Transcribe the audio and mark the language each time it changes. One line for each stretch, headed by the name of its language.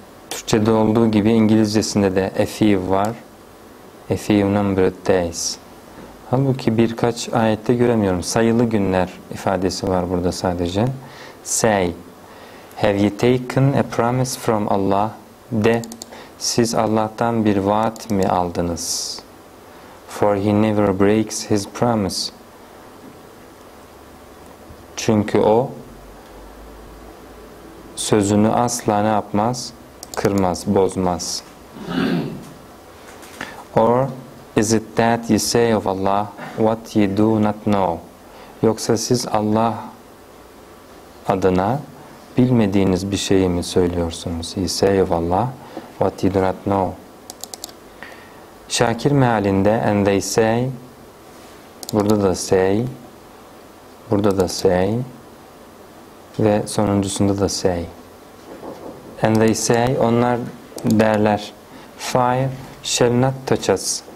Turkish: Türkçe'de olduğu gibi İngilizcesinde de a few var,
English: a few numbered days.
Turkish: Halbuki birkaç ayette göremiyorum, sayılı günler ifadesi var burada sadece.
English: Say, have you taken a promise from Allah?
Turkish: De. Siz Allah'tan bir vaat mi aldınız?
English: For he never breaks his promise.
Turkish: Çünkü o sözünü asla ne yapmaz? Kırmaz, bozmaz.
English: Or is it that you say of Allah what you do not know?
Turkish: Yoksa siz Allah adına bilmediğiniz bir şeyi mi söylüyorsunuz?
English: You say of Allah what you do not know.
Turkish: Şakir mealinde
English: and they say,
Turkish: burada da say, burada da say ve sonuncusunda da say.
English: And they say,
Turkish: onlar derler,
English: fire shall not touch us.